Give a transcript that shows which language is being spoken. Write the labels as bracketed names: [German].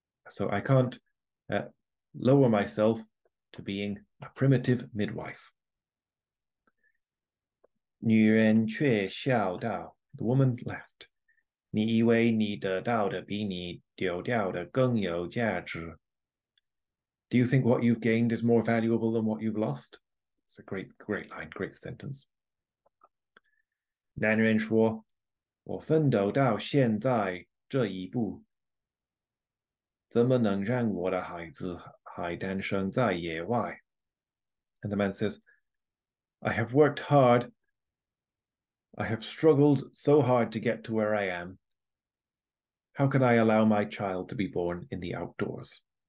[English] So I can't lower myself to being a primitive midwife. [Chinese] 女人却笑道, [English] the woman laughed. [Chinese] 你以为你得到的比你丢掉的更有价值? [English] Do you think what you've gained is more valuable than what you've lost? It's a great, great line, great sentence. [Chinese] 男人说,我奋斗到现在这一步,怎么能让我的孩子还诞生在野外? [English] And the man says, I have worked hard. I have struggled so hard to get to where I am. How can I allow my child to be born in the outdoors?